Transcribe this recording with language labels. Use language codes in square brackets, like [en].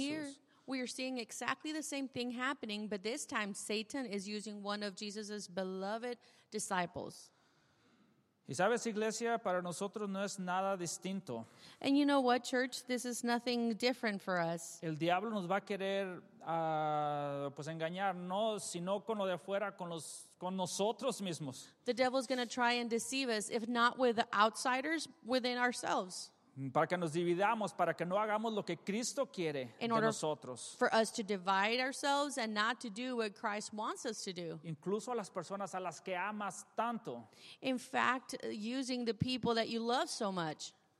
[en] Here, we are seeing exactly the same thing happening, but this time Satan is using one of Jesus' beloved disciples. [es] Y sabes, iglesia, para nosotros no es nada distinto. [en] And you know what, church? This is nothing different for us. [es] El diablo nos va a querer engañar, no sino con lo de afuera, con nosotros mismos. [en] The devil is going to try and deceive us, if not with the outsiders, within ourselves. [es] Para que nos dividamos, para que no hagamos lo que Cristo quiere [en] in order [es] de nosotros. [en] For us to divide ourselves and not to do what Christ wants us to do. [es] Incluso a las personas a las que amas tanto. [en] In fact, using the people that you love so much.